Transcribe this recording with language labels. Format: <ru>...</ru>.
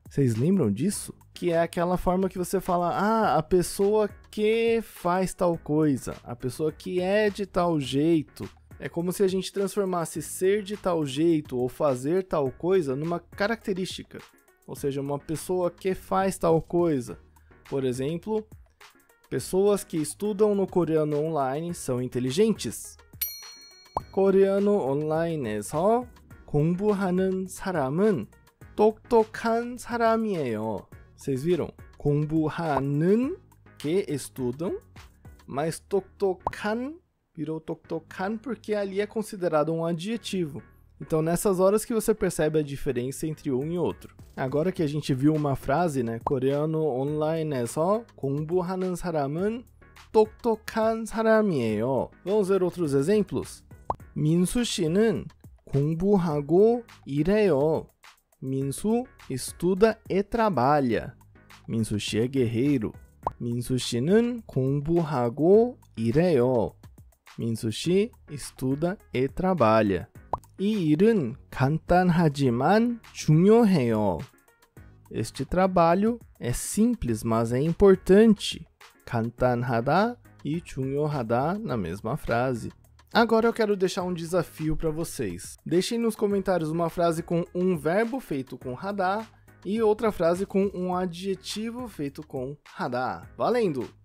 <pt>Vocês lembram disso? Que é aquela forma que você fala, ah, a pessoa que faz tal coisa, a pessoa que é de tal jeito. É como se a gente transformasse ser de tal jeito ou fazer tal coisa numa característica. Ou seja, uma pessoa que faz tal coisa. Por exemplo, pessoas que estudam no coreano online são inteligentes.</pt> <ko>Coreano online에서 공부하는 사람은 똑똑한 사람이에요.</ko> <pt>Vocês viram? 공부하는, que estudam, mas 똑똑한 virou 똑똑한 porque ali é considerado um adjetivo. Então, nessas horas que você percebe a diferença entre um e outro. Agora que a gente viu uma frase, né?</pt> <ko>Coreano online 에서 공부하는 사람은 똑똑한 사람이에요.</ko> <pt>Vamos ver outros exemplos?</pt> <ko>민수 씨는 공부하고 일해요.</ko> <pt>민수 estuda e trabalha. 민수 씨 é guerreiro.</pt> <ko>민수 씨는 공부하고 일해요.</ko> <pt>민수 씨 estuda e trabalha.</pt> <ko>이 일은 간단하지만 중요해요.</ko> <pt>Este trabalho é simples, mas é importante. 간단하다 e 중요하다 na mesma frase. Agora eu quero deixar um desafio para vocês. Deixem nos comentários uma frase com um verbo feito com 하다 e outra frase com um adjetivo feito com radá. Valendo!</pt>